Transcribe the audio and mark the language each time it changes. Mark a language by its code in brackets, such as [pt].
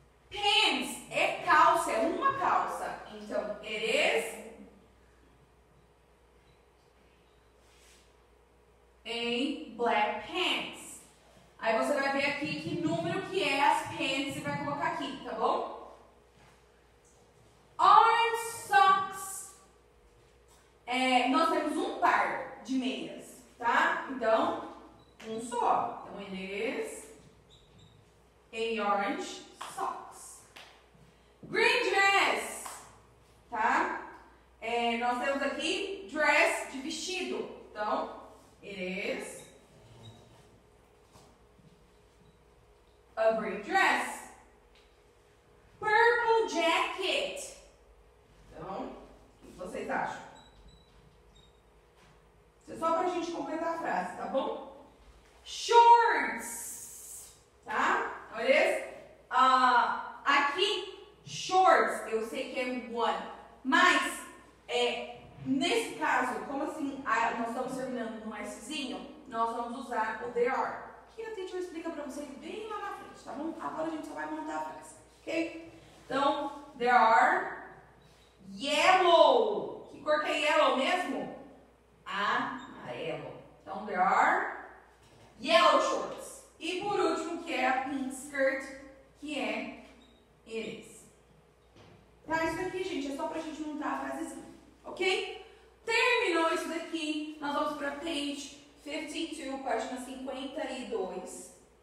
[pt] Pants é calça, é uma calça. [en] Então, it is a black pants. [pt] Aí você vai ver aqui que número que é as pants e vai colocar aqui, tá bom? [en] Orange socks. [pt] É, nós temos um par de meias, tá? Então, um só. [en] Então, it is a orange socks. Green dress. [pt] Tá? É, nós temos aqui dress de vestido. [en] Então, it is a green dress. Purple jacket. [pt] Então, o que vocês acham? Isso é só pra gente completar a frase, tá bom? Shorts. Tá? Olha isso. Aqui, shorts, eu sei que é one. Mas, é... Nesse caso, como assim nós estamos terminando no Szinho, nós vamos usar o [en] there are. [pt] Que a teacher explica para vocês bem lá na frente, tá bom? Agora a gente só vai montar a frase, ok? [en] Então, there are yellow. [pt] Que cor que é yellow mesmo? Amarelo. [en] Então, there are yellow shorts. [pt] E por último, que é a [en] pink skirt, [pt] que é [en] it is. [pt] Tá, isso aqui, gente, é só pra gente montar a frasezinha. Ok? Terminou isso daqui. Nós vamos para page 52, página 52.